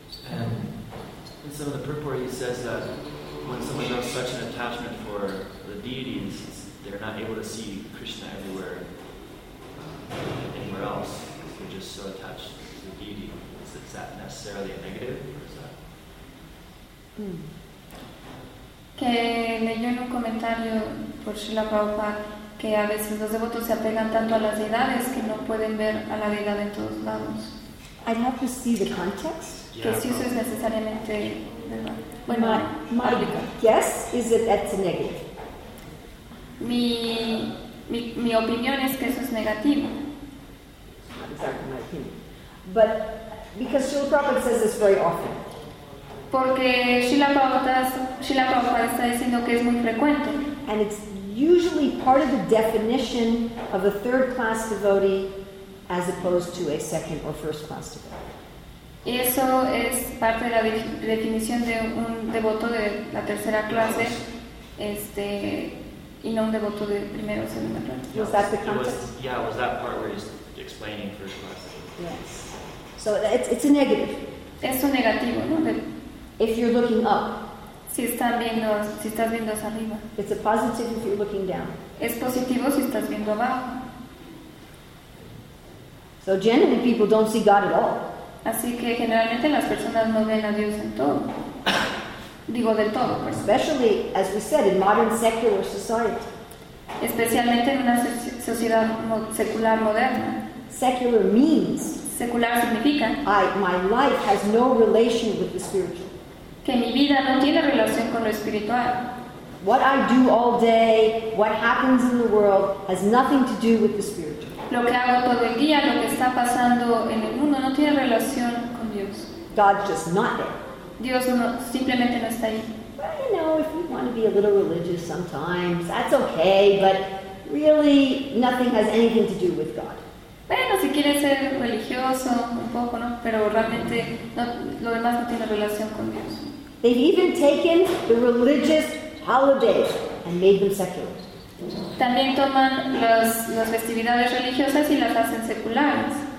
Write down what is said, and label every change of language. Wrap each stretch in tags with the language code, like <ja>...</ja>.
<en>And in some of the purport, he says that when someone has such an attachment for the deities, they're not able to see Krishna everywhere, anywhere else, because they're just so attached to the deity. Is that necessarily a negative, or is that?</en> <es>Que leyó en un comentario por Srila Prabhupada que a veces los devotos se apegan tanto a las deidades que no pueden ver a la deidad en todos lados.</es> <en>I have to see the context.</en> <es>Que si eso es necesariamente,</es> <en>bueno, my guess is that that's a negative.</en> <es>Mi opinión es que eso es negativo.</es> <en>Exactly my opinion, but. Because Srila Prabhupada says this very often.</en> <es>Porque Srila Prabhupada está diciendo que es muy frecuente.</es> <en>And it's usually part of the definition of a third class devotee as opposed to a second or first class devotee.</en> <es>Y eso es parte de la definición de un devoto de la tercera clase, y no un devoto de primera o segunda clase.</es> <en>Was that the context? Was that part where he's explaining first class? Yes. So it's a negative.</en> <es>Es un negativo, ¿no?</es> <en>If you're looking up.</en> <es>Si estás viendo hacia arriba.</es> <en>It's a positive if you're looking down.</en> <es>Es positivo si estás viendo abajo.</es> <en>So generally people don't see God at all.</en> <es>Así que generalmente las personas no ven a Dios en todo. Digo del todo. Pero.</es> <en>Especially, as we said, in modern secular society.</en> <es>Especialmente en una sociedad secular moderna.</es> <en>Secular means.</en> <es>Secular significa</es> <en>my life has no relation with the spiritual.</en> <es>Que mi vida no tiene relación con lo espiritual.</es> <en>What I do all day, what happens in the world, has nothing to do with the spiritual.</en> <es>Lo que hago todo el día, lo que está pasando en el mundo, no tiene relación con Dios.</es> <en>God's just not there.</en> <es>Dios no, simplemente no está ahí.</es> <en>Well, you know, if you want to be a little religious sometimes, that's okay, but really, nothing has anything to do with God.</en> <es>Bueno, si quieres ser religioso un poco, ¿no? Pero realmente no, lo demás no tiene relación con Dios.</es> <en>They've even taken the religious holidays and made them secular.</en> <es>También toman las festividades religiosas y las hacen seculares.</es>